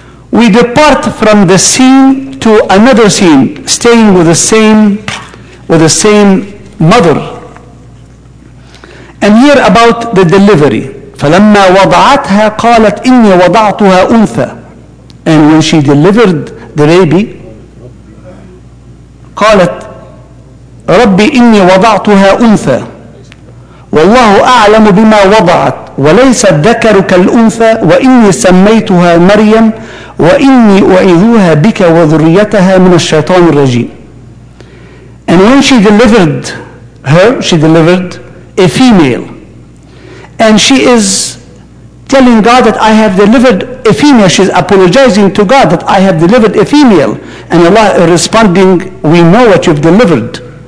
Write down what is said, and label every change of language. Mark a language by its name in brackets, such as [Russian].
[English] We depart from the scene to another scene, staying with the same mother. And here about the delivery. [Arabic] فَلَمَّا وَضَعَتْهَا قَالَتْ إِنِّي وَضَعْتُهَا أُنْثَى. [English] And when she delivered the baby, قَالَتْ [Arabic] ربي إني وضعتها أنثى والله أعلم بما وضعت وليس الذكر كالأنثى وإني سميتها مريم وإني أعيذها بك وذريتها من الشيطان الرجيم. [English] And when she delivered her, she delivered a female. And she is telling God that I have delivered a female. She's apologizing to God that I have delivered a female. And Allah is responding, we know what you've delivered.